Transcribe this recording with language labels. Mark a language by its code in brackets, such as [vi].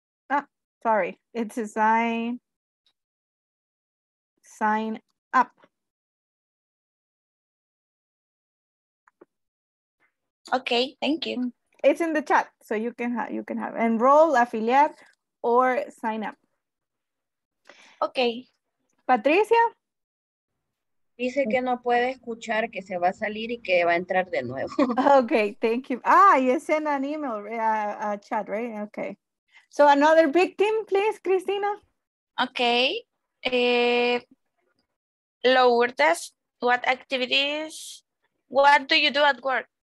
[en] Ah, sorry, it's a sign up. Okay, thank you. It's in the chat, so you can have enroll, affiliate, or sign up. Okay. Patricia? [es] Dice que no puede escuchar, que se va a salir y que va a entrar de nuevo. [en] Okay, thank you. Ah, it's in an email, a chat, right? Okay. So another victim, please, Cristina. Okay. Lourdes, what activities, what do you do at work?